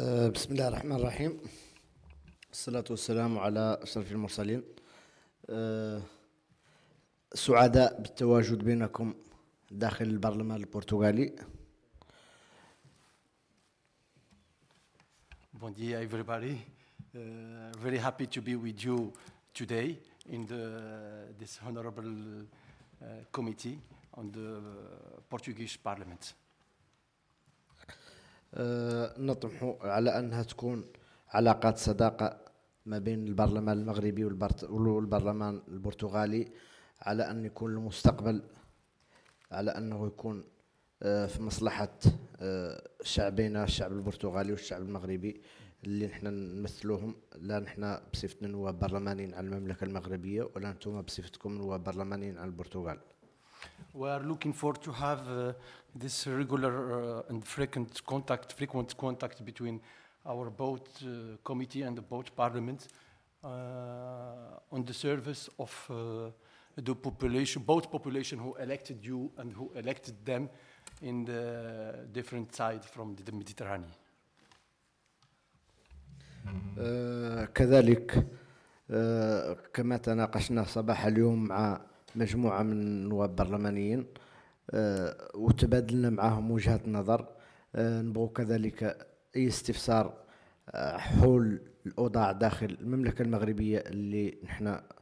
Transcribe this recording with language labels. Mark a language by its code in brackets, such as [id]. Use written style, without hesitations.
[ar] بسم الله الرحمن الرحيم الصلاة والسلام على أشرف المرسلين سعداء بالتواجد بينكم داخل البرلمان البرتغالي [pt] Bon dia [en] everybody very happy to be with you today in this honorable committee on the Portuguese Parliament [ar] نطمح على أنها تكون علاقات صداقة ما بين البرلمان المغربي والبرلمان البرتغالي على أن يكون المستقبل على أنه يكون في مصلحة شعبنا الشعب البرتغالي والشعب المغربي اللي نحن نمثلهم لا نحن بصفتنا نواب برلمانيين على المملكة المغربية ولا أنتم بصفتكم نواب برلمانيين على البرتغال [en] We are looking forward to have this regular and frequent contact between our both committee and the both parliament on the service of the population, both population who elected you and who elected them in the different side from the Mediterranean. [ar] كذلك كما تناقشنا صباح اليوم مع مجموعة من نواب برلمانيين وتبادلنا معهم وجهات نظر نبغوا كذلك أي استفسار حول الأوضاع داخل المملكة المغربية اللي نحن